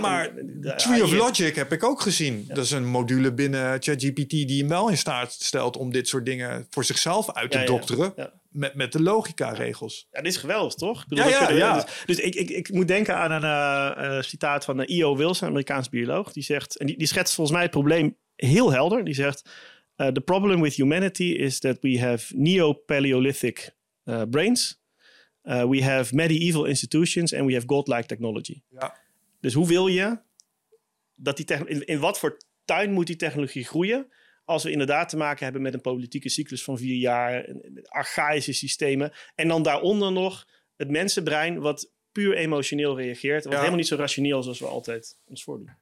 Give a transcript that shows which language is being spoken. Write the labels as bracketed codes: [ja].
[nl] Maar Tree of Logic heb ik ook gezien. Ja. Dat is een module binnen ChatGPT die hem wel in staat stelt om dit soort dingen voor zichzelf uit te dokteren. Ja. Met de logica-regels. Ja, dit is geweldig, toch? Ik bedoel, ja. Dus ik moet denken aan een citaat van E.O. Wilson, een Amerikaans bioloog. Die zegt, en die schetst volgens mij het probleem heel helder. Die zegt, [en] the problem with humanity is that we have neo-paleolithic brains. We have medieval institutions and we have godlike technology. [nl] Ja. Dus hoe wil je dat die in wat voor tuin moet die technologie groeien als we inderdaad te maken hebben met een politieke cyclus van 4 jaar, archaïsche systemen en dan daaronder nog het mensenbrein wat puur emotioneel reageert. Wat helemaal niet zo rationeel zoals we altijd ons voordoen.